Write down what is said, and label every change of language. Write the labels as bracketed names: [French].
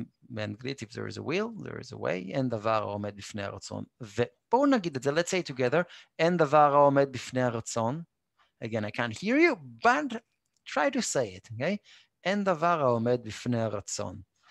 [Hebrew] באנגלית, [English] if there is a will, there is a way, [Hebrew] אין דבר העומד בפני הרצון. ובואו נגיד את זה, [English] let's say it together, [Hebrew] אין דבר העומד בפני הרצון. [English] Again, I can't hear you, but try to say it, okay? [Hebrew] אין דבר העומד בפני הרצון.